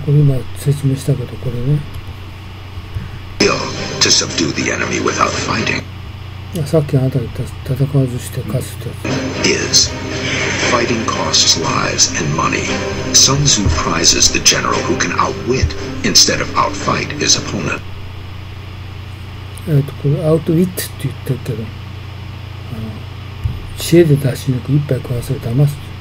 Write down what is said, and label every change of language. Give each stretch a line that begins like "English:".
Japanese: これ今説明したけど、これね。
English: To subdue the enemy without fighting.
Japanese: さっきあなたが言った戦わずして勝つってやつ。
English: Is fighting costs lives and money. Sun Tzu prizes the general who can outwit instead of outfight his opponent.
Japanese: これ outwit って言ってるけど、知恵で出し抜く、いっぱい食わせる、騙す。